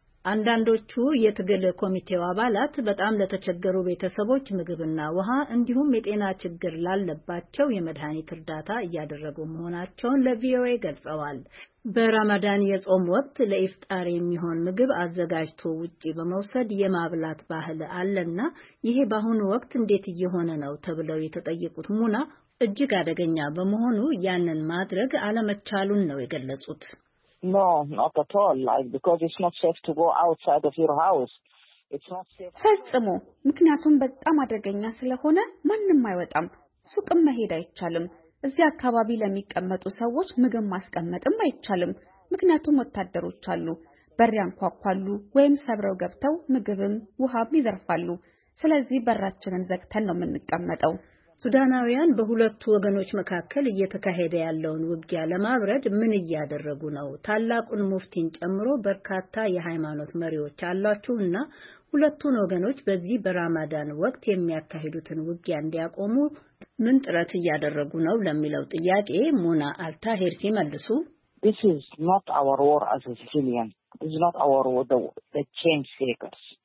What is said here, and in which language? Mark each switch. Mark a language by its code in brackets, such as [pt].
[am] አንዳንዶቹ የትግል ኮሚቴው አባላት በጣም ለተቸገሩ ቤተሰቦች ምግብና ውሃ እንዲሁም የጤና ችግር ላለባቸው የመድኃኒት እርዳታ እያደረጉ መሆናቸውን ለቪኦኤ ገልጸዋል። በራማዳን የጾም ወቅት ለኢፍጣር የሚሆን ምግብ አዘጋጅቶ ውጪ በመውሰድ የማብላት ባህል አለና ይሄ በአሁኑ ወቅት እንዴት እየሆነ ነው ተብለው የተጠየቁት ሙና እጅግ አደገኛ በመሆኑ ያንን ማድረግ አለመቻሉን ነው የገለጹት። [en] No, not at all. Like, because it's not safe to go outside of your house. [am] ፈጽሞ። ምክንያቱም በጣም አደገኛ ስለሆነ ማንም አይወጣም። ሱቅም መሄድ አይቻልም። እዚያ አካባቢ ለሚቀመጡ ሰዎች ምግብ ማስቀመጥም አይቻልም። ምክንያቱም ወታደሮች አሉ። በር ያንኳኳሉ ወይም ሰብረው ገብተው ምግብም ውሃም ይዘርፋሉ። ስለዚህ በራችንን ዘግተን ነው የምንቀመጠው። ሱዳናውያን በሁለቱ ወገኖች መካከል እየተካሄደ ያለውን ውጊያ ለማብረድ ምን እያደረጉ ነው? ታላቁን ሙፍቲን ጨምሮ በርካታ የሃይማኖት መሪዎች አሏችሁና ሁለቱን ወገኖች በዚህ በራማዳን ወቅት የሚያካሂዱትን ውጊያ እንዲያቆሙ ምን ጥረት እያደረጉ ነው ለሚለው ጥያቄ ሙና አልታሂር ሲመልሱ [en] This is not our war as a civilian. This is not our war the change seekers.